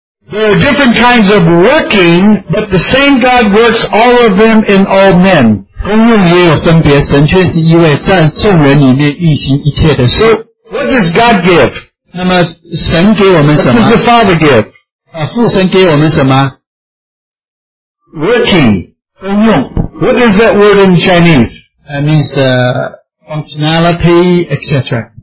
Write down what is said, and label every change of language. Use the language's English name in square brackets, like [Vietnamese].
[English] There are different kinds of working, but the same God works all of them in all men. [Chinese] 功用也有分别，神却是一位，在众人里面运行一切的事。 [English] So, what does God give? [Chinese] 那么神给我们什么？ [English] What does the Father give? [Chinese] 父神给我们什么？ [English] Working. [Chinese] 功用。 [English] What is that word in Chinese? That means functionality, etc.